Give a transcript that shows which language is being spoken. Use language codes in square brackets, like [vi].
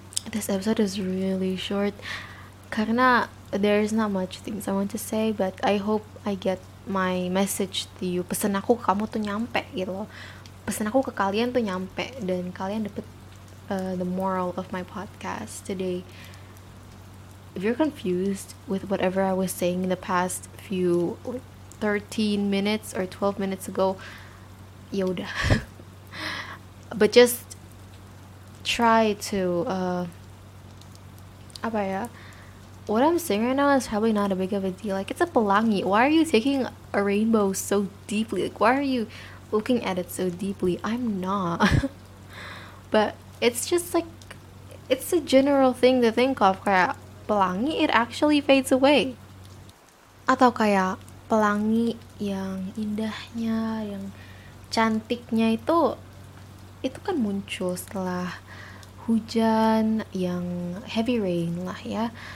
[en] This episode is really short [id] karena [en] there's not much things I want to say, but I hope I get my message to you. [id] Pesan aku ke kamu tuh nyampe gitu loh. Pesan aku ke kalian tuh nyampe, dan kalian dapet [en] the moral of my podcast today. If you're confused with whatever I was saying in the past few 13 minutes or 12 minutes ago, [id] yaudah. [en] But just try to [id] apa ya, [en] what I'm saying right now is probably not a big of a deal. Like, it's a pelangi. Why are you taking a rainbow so deeply? Like, why are you looking at it so deeply? I'm not. But it's just like, it's a general thing to think of. [id] Kayak pelangi, [en] it actually fades away. [id] Atau kayak pelangi yang indahnya, yang cantiknya itu kan muncul setelah hujan yang [en] heavy rain [id] lah ya.